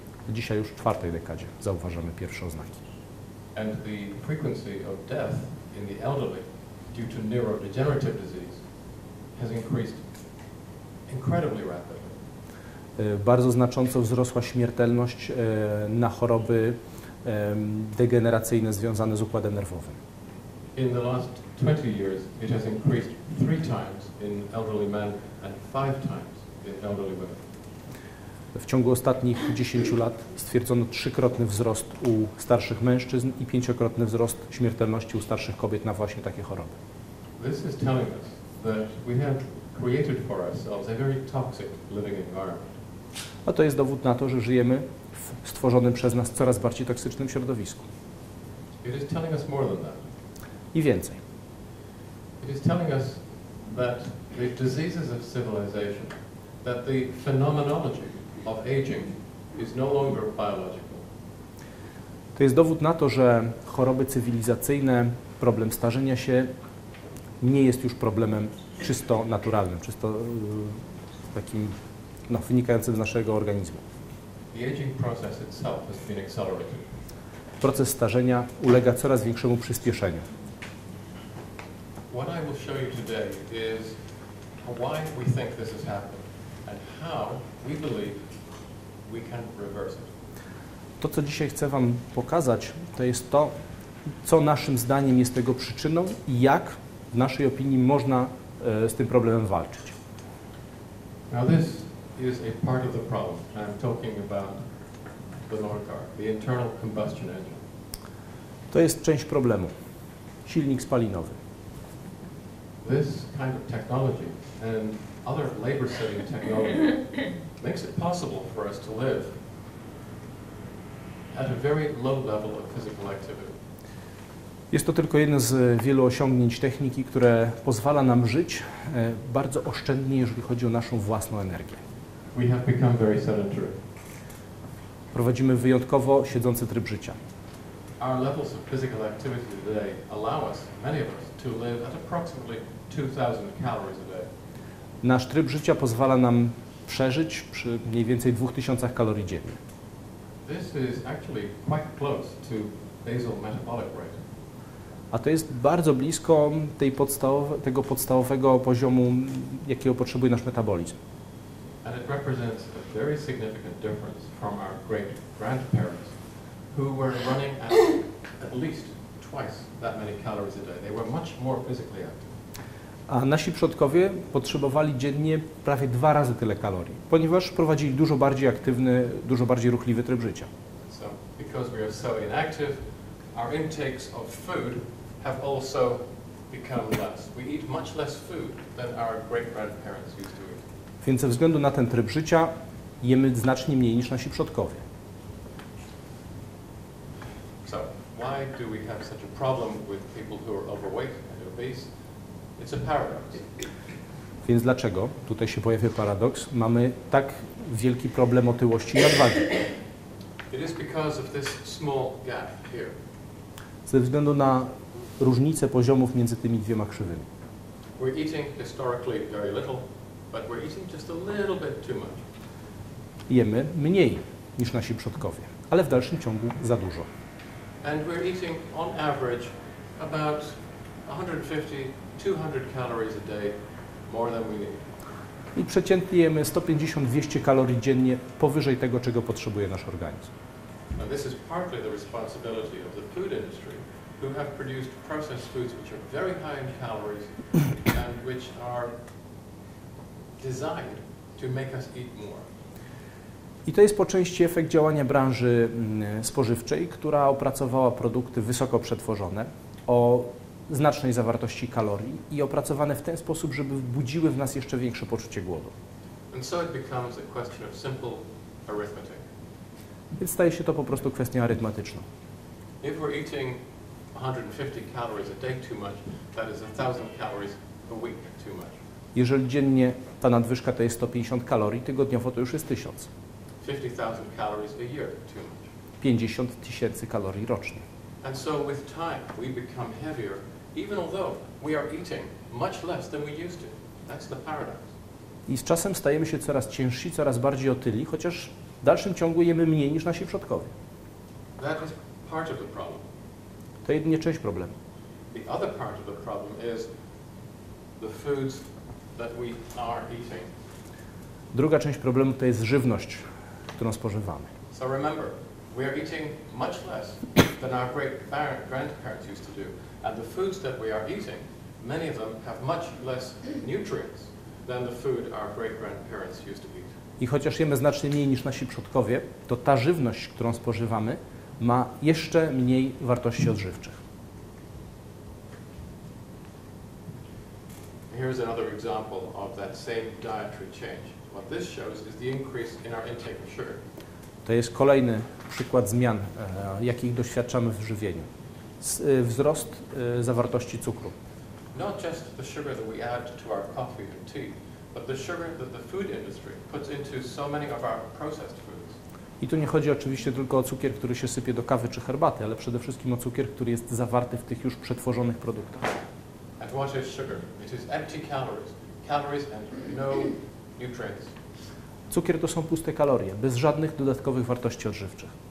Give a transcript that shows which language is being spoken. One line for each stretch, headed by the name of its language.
Polish: Dzisiaj już w 4 dekadzie zauważamy pierwsze oznaki.
English: And the frequency of death in the elderly due to neurodegenerative disease has increased incredibly rapidly.
Polish: Bardzo znacząco wzrosła śmiertelność na choroby degeneracyjne związane z układem nerwowym.
English: In the last 20 years it has increased 3 times in elderly men and 5 times in elderly women.
Polish: W ciągu ostatnich 10 lat stwierdzono 3-krotny wzrost u starszych mężczyzn i 5-krotny wzrost śmiertelności u starszych kobiet na właśnie takie choroby.
English: This is telling us that we have created for ourselves a very toxic living environment.
Polish: A to jest dowód na to, że żyjemy stworzonym przez nas coraz bardziej toksycznym środowisku.
English: It is telling us more than that.
Polish: I więcej.
English: It is telling us that the diseases of civilization, that the phenomenology of aging is no longer biological.
Polish: To jest dowód na to, że choroby cywilizacyjne, problem starzenia się nie jest już problemem czysto naturalnym, czysto takim wynikającym z naszego organizmu.
English: The aging process itself has been accelerated.
Polish: Proces starzenia ulega coraz większemu przyspieszeniu.
English: What I will show you today is why we think this has happened and how we believe we can reverse it.
Polish: To, co dzisiaj chcę Wam pokazać, to jest to, co naszym zdaniem jest tego przyczyną i jak w naszej opinii można z tym problemem walczyć.
English: Now this is a part of the problem. I'm talking about the motor car, the internal combustion engine.
Polish: To jest część problemu. Silnik spalinowy.
English: This kind of technology and other labor-saving technology makes it possible for us to live at a very low level of physical activity.
Polish: Jest to tylko jedno z wielu osiągnięć techniki, które pozwala nam żyć bardzo oszczędnie, jeżeli chodzi o naszą własną energię.
English: We have become very sedentary.
Polish: Prowadzimy wyjątkowo siedzący tryb życia.
English: Our levels of physical activity today allow us, many of us, to live at approximately 2000 calories a day.
Polish: Nasz tryb życia pozwala nam przeżyć przy mniej więcej 2000 kalorii dziennie.
English: This is actually quite close to basal metabolic rate.
Polish: A to jest bardzo blisko tego podstawowego poziomu, jakiego potrzebuje nasz metabolizm.
English: And it represents a very significant difference from our great-grandparents, who were running at least twice that many calories a day. They were much more physically active.
Polish: A nasi przodkowie potrzebowali dziennie prawie dwa razy tyle kalorii, ponieważ prowadzili dużo bardziej aktywny, dużo bardziej ruchliwy tryb życia.
English: So, because we are so inactive, our intakes of food have also become less. We eat much less food than our great-grandparents used to eat.
Polish: Więc ze względu na ten tryb życia jemy znacznie mniej niż nasi przodkowie.
English: So, why do we have such a problem with people who are overweight and obese? It's a paradox.
Polish: Więc dlaczego, tutaj się pojawia paradoks, mamy tak wielki problem otyłości i nadwagi?
English: It is because of this small gap here.
Polish: Ze względu na różnicę poziomów między tymi dwiema krzywymi.
English: We're eating historically very little, but we're eating just a little bit too much.
Polish: Jemy mniej niż nasi przodkowie, ale w dalszym ciągu za dużo.
English: And we're eating on average about 150-200 calories a day more than we need.
Polish: I przeciętnie jemy 150-200 kalorii dziennie powyżej tego, czego potrzebuje nasz organizm.
English: And this is partly the responsibility of the food industry, who have produced processed foods which are very high in calories and which are designed to make us eat more.
Polish: I to jest po części efekt działania branży spożywczej, która opracowała produkty wysoko przetworzone o znacznej zawartości kalorii i opracowane w ten sposób, żeby budziły w nas jeszcze większe poczucie głodu.
English: And so it becomes a question of simple arithmetic.
Polish: Więc staje się to po prostu kwestią arytmetyczną.
English: If we're eating 150 calories a day too much, that is 1000 calories a week too much.
Polish: Jeżeli dziennie ta nadwyżka to jest 150 kalorii, tygodniowo to już jest 1000.
English: 50,000 calories a year too much.
Polish: 50 tysięcy kalorii rocznie.
English: And so with time we become heavier, even although we are eating much less than we used to. That's the paradox.
Polish: I z czasem stajemy się coraz ciężsi, coraz bardziej otyli, chociaż w dalszym ciągu jemy mniej niż nasi przodkowie.
English: That is part of the problem.
Polish: To jedynie część problemu.
English: The other part of the problem is the foods that we are eating.
Polish: Druga część problemu to jest żywność, którą spożywamy.
English: So remember, we are eating much less than our great grandparents used to do, and the foods that we are eating, many of them have much less nutrients than the food our great grandparents used to eat.
Polish: I chociaż jemy znacznie mniej niż nasi przodkowie, to ta żywność, którą spożywamy, ma jeszcze mniej wartości odżywczych.
English: Here's another example of that same dietary change. What this shows is the increase in our intake of sugar.
Polish: To jest kolejny przykład zmian, jakich doświadczamy w żywieniu. Wzrost zawartości cukru.
English: Not just the sugar that we add to our coffee and tea, but the sugar that the food industry puts into so many of our processed foods.
Polish: I tu nie chodzi oczywiście tylko o cukier, który się sypie do kawy czy herbaty, ale przede wszystkim o cukier, który jest zawarty w tych już przetworzonych produktach.
English: And what is sugar? It is empty calories. Calories and no nutrients.
Polish: Cukier to są puste kalorie, bez żadnych dodatkowych wartości odżywczych.